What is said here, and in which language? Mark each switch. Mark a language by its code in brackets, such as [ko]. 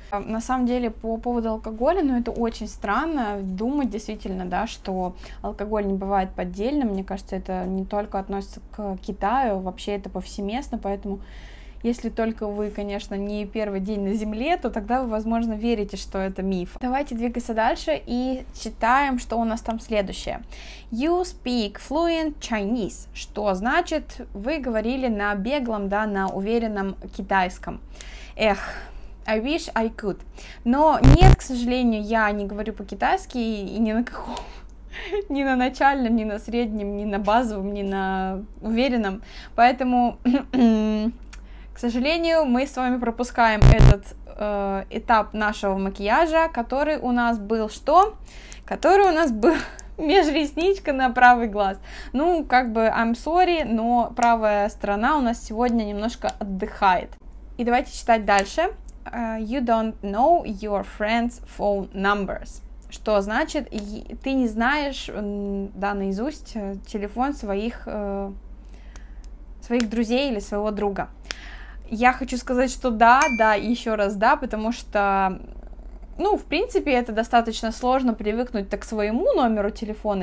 [ru] На самом деле, по поводу алкоголя, ну, это очень странно думать действительно, да, что алкоголь не бывает поддельным. Мне кажется, это не только относится к Китаю, вообще это повсеместно, поэтому если только вы, конечно, не первый день на земле, то тогда вы, возможно, верите, что это миф. Давайте двигаться дальше и читаем, что у нас там следующее. [en] You speak fluent Chinese. [ru] Что значит? Вы говорили на беглом, да, на уверенном китайском. Эх, [en] I wish I could. [ru] Но нет, к сожалению, я не говорю по-китайски и ни на каком. Ни на начальном, ни на среднем, ни на базовом, ни на уверенном. Поэтому... К сожалению, мы с вами пропускаем этот этап нашего макияжа, который у нас был что? Который у нас был межресничка на правый глаз. Ну, как бы, [en] I'm sorry, [ru] но правая сторона у нас сегодня немножко отдыхает. И давайте читать дальше. [en] You don't know your friend's phone numbers. [ru] Что значит, ты не знаешь, да, наизусть телефон своих друзей или своего друга. Я хочу сказать, что да, да, еще раз да, потому что, ну, в принципе, это достаточно сложно привыкнуть к своему номеру телефона.